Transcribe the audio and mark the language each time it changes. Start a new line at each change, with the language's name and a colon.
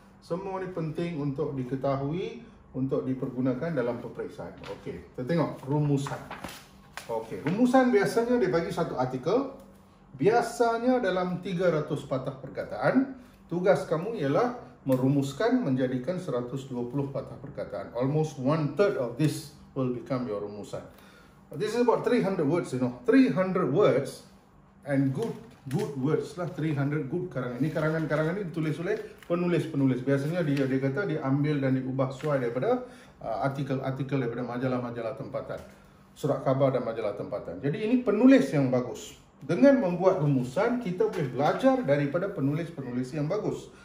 Malay: Semua ni penting untuk diketahui, untuk dipergunakan dalam peperiksaan. Okey, kita tengok rumusan. Okey, rumusan biasanya dibagi satu artikel. Biasanya dalam 300 patah perkataan, tugas kamu ialah merumuskan menjadikan 120 patah perkataan.
English: Almost one third of this will become your rumusan. This is about 300 words, you know. 300 words and good words lah. 300 good karangan.
Malay: Ini karangan-karangan ini ditulis oleh penulis-penulis. Biasanya dia kata diambil dan diubah sesuai daripada artikel-artikel daripada majalah-majalah tempatan. Surat khabar dan majalah tempatan. Jadi ini penulis yang bagus. Dengan membuat rumusan, kita boleh belajar daripada penulis-penulis yang bagus.